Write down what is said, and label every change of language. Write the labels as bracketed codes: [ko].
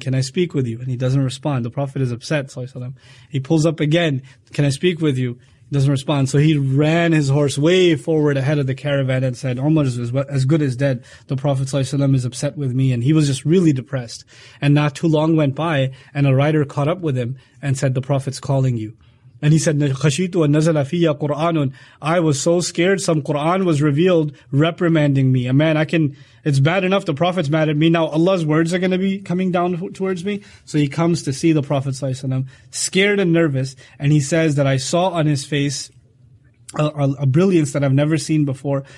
[en] Can I speak with you? And he doesn't respond. The Prophet is upset. He pulls up again. Can I speak with you? He doesn't respond. So he ran his horse way forward ahead of the caravan and said, Umar is as good as dead. The Prophet is upset with me. And he was just really depressed. And not too long went by, and a rider caught up with him and said, the Prophet's calling you. And he said, [ar] خَشِيتُ وَنَّزَلَ فِيَّ قُرْآنٌ. [en] I was so scared some Qur'an was revealed reprimanding me. Man, it's bad enough the Prophet's mad at me. Now Allah's words are going to be coming down towards me. So he comes to see the Prophet ﷺ, scared and nervous. And he says that I saw on his face a brilliance that I've never seen before.